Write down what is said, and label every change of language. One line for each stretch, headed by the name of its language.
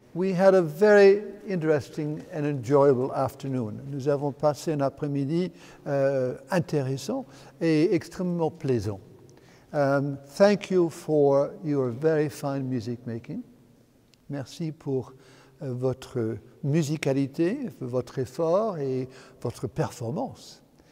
English: We had a very interesting and enjoyable afternoon.
French: Nous avons passé un après-midi intéressant et extrêmement plaisant.
English: Thank you for your very fine music making.
French: Merci pour votre musicalité, votre effort et votre performance.